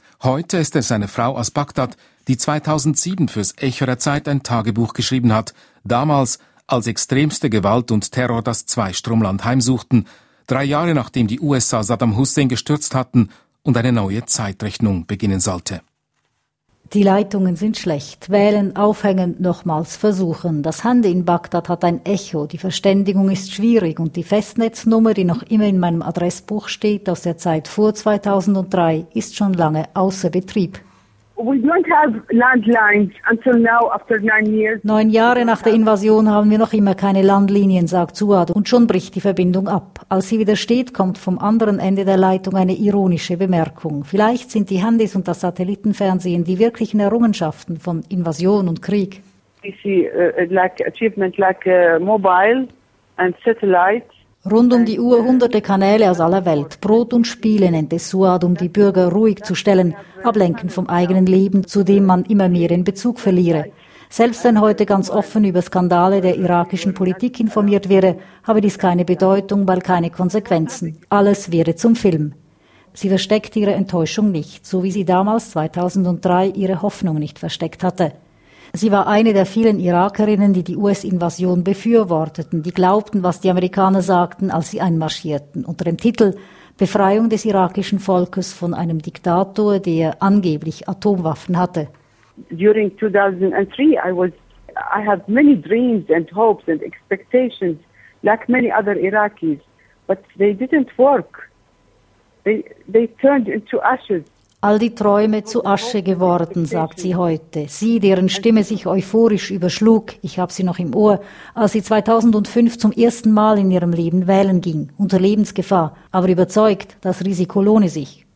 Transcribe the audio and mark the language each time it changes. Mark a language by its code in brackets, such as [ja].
[de] Heute ist es eine Frau aus Bagdad, die 2007 fürs Echo der Zeit ein Tagebuch geschrieben hat, damals als extremste Gewalt und Terror das Zweistromland heimsuchten, 3 Jahre nachdem die USA Saddam Hussein gestürzt hatten und eine neue Zeitrechnung beginnen sollte. Die Leitungen sind schlecht. Wählen, aufhängen, nochmals versuchen. Das Handy in Bagdad hat ein Echo. Die Verständigung ist schwierig und die Festnetznummer, die noch immer in meinem Adressbuch steht, aus der Zeit vor 2003, ist schon lange außer Betrieb. [en] We don't have landlines until now, after 9 years. [de] 9 Jahre nach der Invasion haben wir noch immer keine Landlinien, sagt Suad, und schon bricht die Verbindung ab. Als sie widersteht, kommt vom anderen Ende der Leitung eine ironische Bemerkung. Vielleicht sind die Handys und das Satellitenfernsehen die wirklichen Errungenschaften von Invasion und Krieg. [en] We see like achievement like mobile and satellite. [de] Rund um die Uhr hunderte Kanäle aus aller Welt. Brot und Spiele nennt es Suad, um die Bürger ruhig zu stellen, ablenken vom eigenen Leben, zu dem man immer mehr in Bezug verliere. Selbst wenn heute ganz offen über Skandale der irakischen Politik informiert wäre, habe dies keine Bedeutung, weil keine Konsequenzen. Alles wäre zum Film. Sie versteckt ihre Enttäuschung nicht, so wie sie damals 2003 ihre Hoffnung nicht versteckt hatte. Sie war eine der vielen Irakerinnen, die die US-Invasion befürworteten, die glaubten, was die Amerikaner sagten, als sie einmarschierten, unter dem Titel «Befreiung des irakischen Volkes von einem Diktator, der angeblich Atomwaffen hatte». [en] During 2003, I had many dreams and hopes and expectations, like many other Iraqis, but they didn't work. They turned into ashes. [de] All die Träume zu Asche geworden, sagt sie heute. Sie, deren Stimme sich euphorisch überschlug, ich habe sie noch im Ohr, als sie 2005 zum ersten Mal in ihrem Leben wählen ging, unter Lebensgefahr, aber überzeugt, das Risiko lohne sich.